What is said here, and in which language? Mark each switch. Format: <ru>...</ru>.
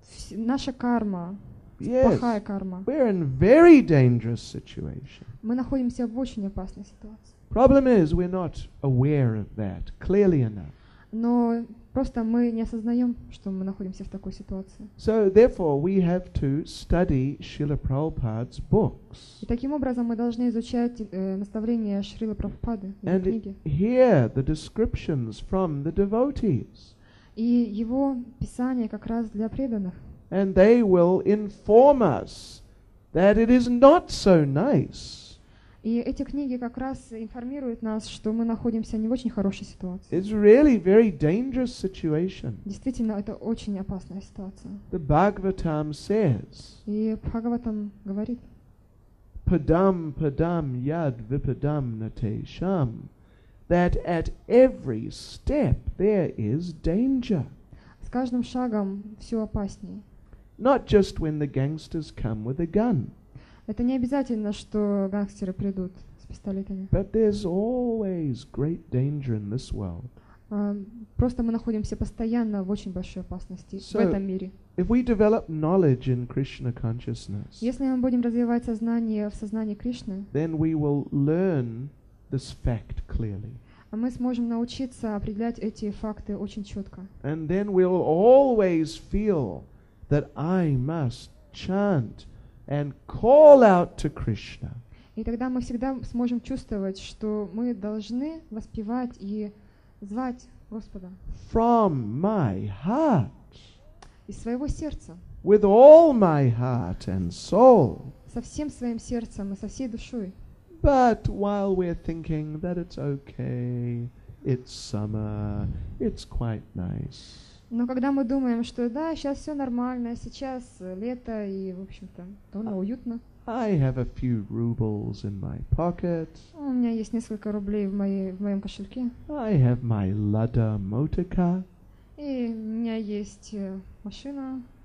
<ru>Наша карма.</ru> <en>Yes.</en> <ru>Плохая карма.</ru> <en>We're in very dangerous situation.</en> <ru>Мы находимся в очень опасной ситуации.</ru> <en>Problem is, we're not aware of that clearly enough.</en> <ru>Но просто мы не осознаем, что мы находимся в такой ситуации.</ru> <en>So therefore we have to study Srila Prabhupada's books.</en> <ru>И таким образом мы должны изучать наставления Шрилы Прабхупады, его</ru> <en>and</en> <ru>книги.</ru> <en>And hear the descriptions from the devotees.</en> <ru>И его писания как раз для преданных.</ru> <en>And they will inform us that it is not so nice.</en> <ru>И эти книги как раз информируют нас, что мы находимся не в очень хорошей ситуации.</ru> <en>It's really very dangerous situation.</en> <ru>Действительно, это очень опасная ситуация.</ru> <en>The Bhagavatam says.</en> <ru>И Бхагаватам говорит.</ru> <sa>Padam padam yad vipadam natesham,</sa> <en>that at every step there is danger.</en> <ru>С каждым шагом все опаснее.</ru> <en>Not just when the gangsters come with a gun.</en> <ru>Это не обязательно, что гангстеры придут с пистолетами.</ru> <en>But there's always great danger in this world.</en> <ru>Просто мы находимся постоянно в очень большой опасности</ru> <en>so</en> <ru>в этом мире.</ru> <en>If we develop knowledge in Krishna consciousness,</en> <ru>если мы будем развивать сознание в сознании Кришны,</ru> <en>then we will learn this fact clearly.</en> <ru>А мы сможем научиться определять эти факты очень четко.</ru> <en>And then we'll always feel that I must chant and call out to Krishna.</en> <ru>И тогда мы всегда сможем чувствовать, что мы должны воспевать и звать Господа.</ru> <en>From my heart.</en> <ru>Из своего сердца.</ru> <en>With all my heart and soul.</en> <ru>Со всем своим сердцем и со всей душой.</ru> <en>But while we're thinking that it's okay, it's summer, it's quite nice.</en> <ru>Но когда мы думаем, что да, сейчас все нормально, сейчас лето и, в общем-то, довольно уютно.</ru> <en>I have a few rubles in my pocket.</en> <ru>У меня есть несколько рублей в моем кошельке.</ru> <en>I have my Lada motor car.</en> <ru>И у меня есть машина.</ru>